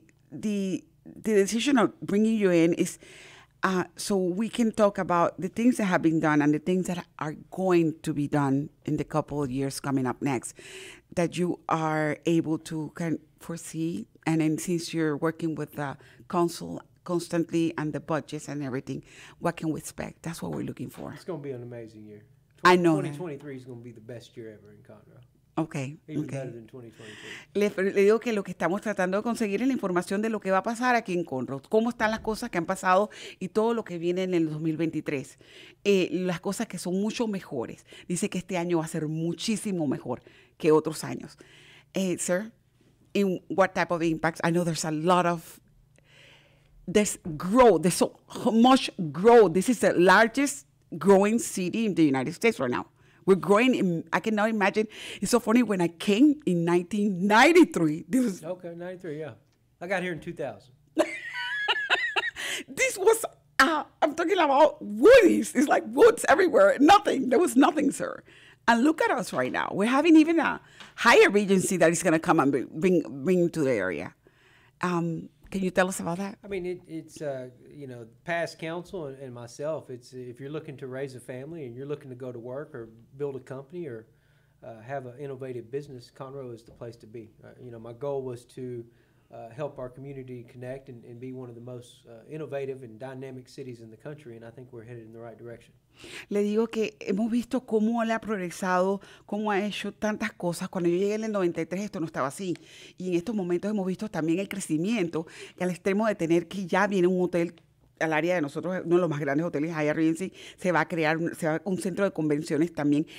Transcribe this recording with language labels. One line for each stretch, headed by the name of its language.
English: The decision of bringing you in is so we can talk about the things that have been done and the things that are going to be done in the couple of years coming up next that you are able to kind of foresee. And then since you're working with the council constantly and the budgets and everything, what can we expect? That's what we're looking for. It's going to be an amazing year. I know 2023 that. Is going to be the best year ever in Conroe. Okay. Even okay. Better than 2022.
Spanish: Le digo que lo que estamos tratando de conseguir es la información de lo que va a pasar aquí en Conroe, cómo están las cosas que han pasado y todo lo que viene en el 2023. Las cosas que son mucho mejores. Dice que este año va a ser muchísimo mejor que otros años.
English: Sir, in what type of impacts? I know there's a lot of there's so much growth. This is the largest growing city in the United States right now. We're growing, I cannot imagine. It's so funny, when I came in 1993, this was... Okay, 93, yeah. I got here in 2000. This was, I'm talking about woodies. It's like woods everywhere, nothing. There was nothing, sir. And look at us right now. We're having even a higher regency that is gonna come and bring to the area. Can you tell us about that? I mean, past council and myself, it's if you're looking to raise a family and you're looking to go to work or build a company or have an innovative business, Conroe is the place to be. My goal was to help our community connect and be one of the most innovative and dynamic cities in the country, and I think we're headed in the right direction.
Spanish: Le digo que hemos visto cómo él ha progresado, cómo ha hecho tantas cosas. Cuando yo llegué en el 93, esto no estaba así. Y en estos momentos hemos visto también el crecimiento, y al extremo de tener que ya viene un hotel al área de nosotros, uno de los más grandes hoteles, allá en Regency, se va a crear un centro de convenciones también.